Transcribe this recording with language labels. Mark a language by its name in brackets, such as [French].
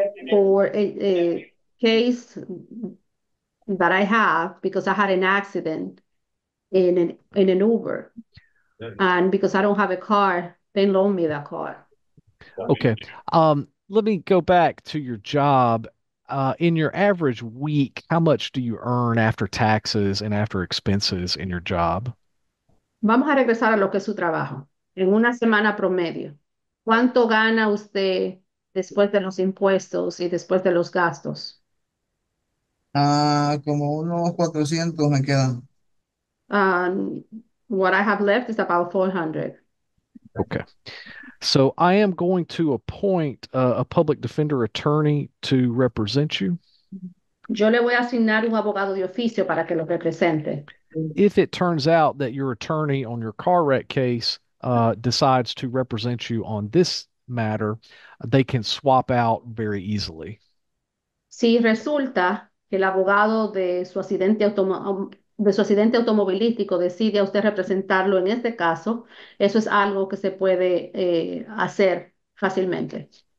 [English] for a case that I have because I had an accident in an Uber. And because I don't have a car, they loan me that car. Okay. Let me go back to your job. In your average week, how much do you earn after taxes and after expenses in your job? [Spanish] Vamos a regresar a lo que es su trabajo. En una semana promedio, ¿cuánto gana usted después de los impuestos y después de los gastos? Ah, como unos 400 me quedan. [English] What I have left is about 400. Okay. So I am going to appoint a public defender attorney to represent you. [Spanish] Yo le voy a asignar un abogado de oficio para que lo represente. [English] If it turns out that your attorney on your car wreck case decides to represent you on this matter, they can swap out very easily. [Spanish] Si resulta que el abogado de su accidente automovilístico decide a usted representarlo en este caso, eso es algo que se puede hacer fácilmente.